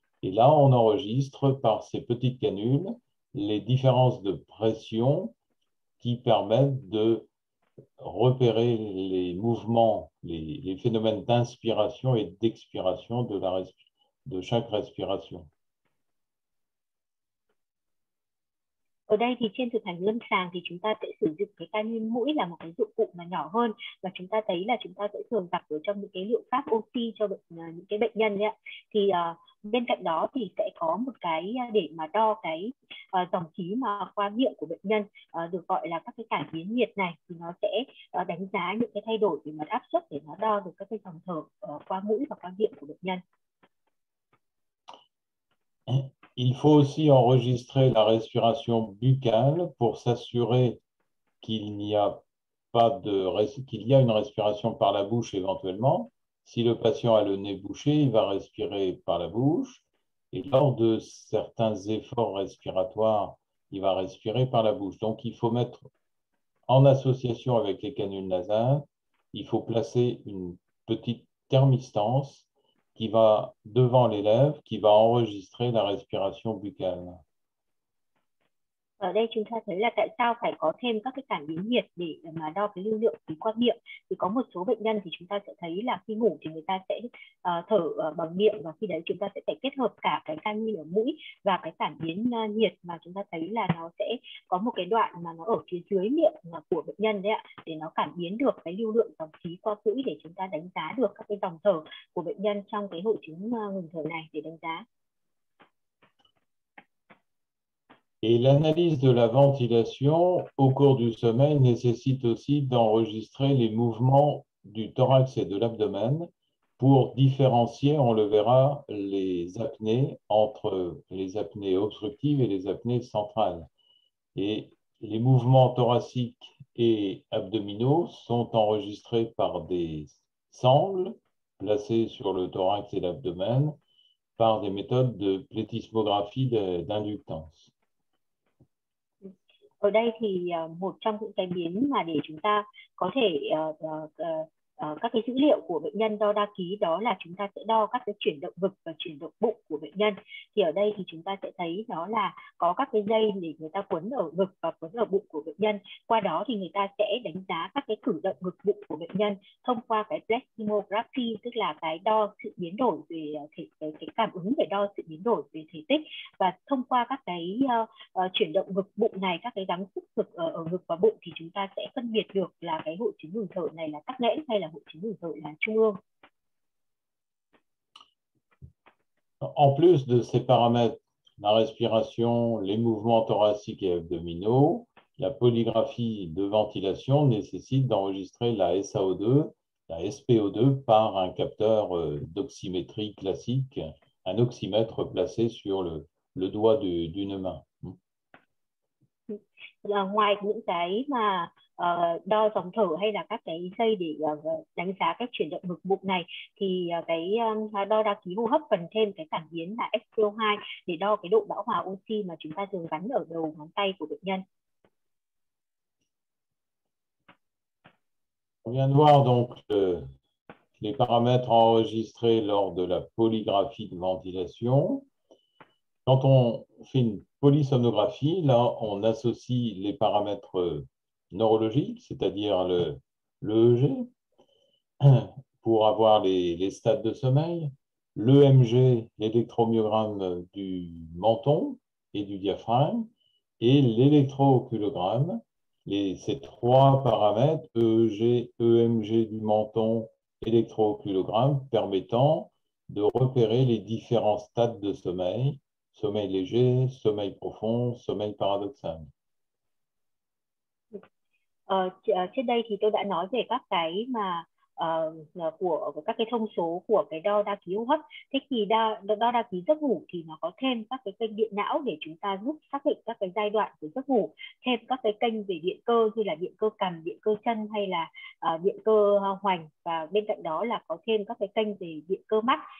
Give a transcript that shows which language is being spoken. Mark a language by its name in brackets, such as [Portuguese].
[French] Et là, on enregistre par ces petites canules les différences de pression qui permettent de repérer les mouvements, les phénomènes d'inspiration et d'expiration de chaque respiration. [Vietnamese] Ở đây thì trên thực hành lâm sàng thì chúng ta sẽ sử dụng cái canin mũi là một cái dụng cụ mà nhỏ hơn, và chúng ta thấy là chúng ta sẽ thường gặp ở trong những cái liệu pháp oxy cho những cái bệnh nhân ấy. Thì bên cạnh đó thì sẽ có một cái để mà đo cái dòng khí mà qua miệng của bệnh nhân, được gọi là các cái cảm biến nhiệt này, thì nó sẽ đánh giá những cái thay đổi về mặt áp suất để nó đo được các cái dòng thở qua mũi và qua miệng của bệnh nhân. [French] Il faut aussi enregistrer la respiration buccale pour s'assurer qu'il y a une respiration par la bouche éventuellement. Si le patient a le nez bouché, il va respirer par la bouche. Et lors de certains efforts respiratoires, il va respirer par la bouche. Donc, il faut mettre en association avec les canules nasales, il faut placer une petite thermistance qui va devant l'élève, qui va enregistrer la respiration buccale. [Vietnamese] Ở đây chúng ta thấy là tại sao phải có thêm các cái cảm biến nhiệt để mà đo cái lưu lượng khí qua miệng. Thì có một số bệnh nhân thì chúng ta sẽ thấy là khi ngủ thì người ta sẽ thở bằng miệng, và khi đấy chúng ta sẽ phải kết hợp cả cái canin ở mũi và cái cảm biến nhiệt mà chúng ta thấy là nó sẽ có một cái đoạn mà nó ở phía dưới miệng của bệnh nhân đấy ạ, để nó cảm biến được cái lưu lượng dòng khí qua mũi để chúng ta đánh giá được các cái dòng thở của bệnh nhân trong cái hội chứng ngừng thở này để đánh giá. [French] Et l'analyse de la ventilation au cours du sommeil nécessite aussi d'enregistrer les mouvements du thorax et de l'abdomen pour différencier, on le verra, les apnées entre les apnées obstructives et les apnées centrales. Et les mouvements thoraciques et abdominaux sont enregistrés par des sangles placées sur le thorax et l'abdomen par des méthodes de plétismographie d'inductance. [Vietnamese] Ở đây thì một trong những cái biến mà để chúng ta có thể các cái dữ liệu của bệnh nhân đo đa ký, đó là chúng ta sẽ đo các cái chuyển động ngực và chuyển động bụng của bệnh nhân. Thì ở đây thì chúng ta sẽ thấy đó là có các cái dây để người ta quấn ở ngực và quấn ở bụng của bệnh nhân. Qua đó thì người ta sẽ đánh giá các cái cử động ngực bụng của bệnh nhân thông qua cái plethysmography, tức là cái đo sự biến đổi về thể, cái cảm ứng để đo sự biến đổi về thể tích. Và thông qua các cái chuyển động ngực bụng này, các cái gắng sức ngực ở ngực và bụng, thì chúng ta sẽ phân biệt được là cái hội chứng ngừng thở này là tắc nghẽn hay là hội chứng ngừng thở là trung ương. [French] En plus de ces paramètres, la respiration, les mouvements thoraciques et abdominaux, la polygraphie de ventilation nécessite d'enregistrer la SAO2, la SPO2 par un capteur d'oxymétrie classique, un oxymètre placé sur le doigt d'une main. [Vietnamese] Ngoài những cái mà đo dòng thở hay là các cái dây để đánh giá các chuyển động ngực bụng này, thì cái đo đa ký hô hấp cần thêm cái cảm biến là SpO2 để đo cái độ bão hòa oxy mà chúng ta thường gắn ở đầu ngón tay của bệnh nhân. [French] On vient de voir donc les paramètres enregistrés lors de la polygraphie de ventilation. Quand on fait une polysomnographie, là, on associe les paramètres neurologiques, c'est-à-dire le EEG, pour avoir les stades de sommeil, l'EMG, l'électromyogramme du menton et du diaphragme, et l'électrooculogramme. Ces trois paramètres, EEG, EMG du menton, électrooculogramme, permettant de repérer les différents stades de sommeil, sommeil léger, sommeil profond, sommeil paradoxal. [Vietnamese] Trên đây thì tôi đã nói về các cái mà của các cái thông số của cái đo đa ký hô hấp. Thế thì đo đa ký giấc ngủ thì nó có thêm các cái kênh điện não để chúng ta giúp xác định các cái giai đoạn của giấc ngủ, thêm các cái kênh về điện cơ như là điện cơ cằm, điện cơ chân hay là điện cơ hoành, và bên cạnh đó là có thêm các cái kênh về điện cơ mắt.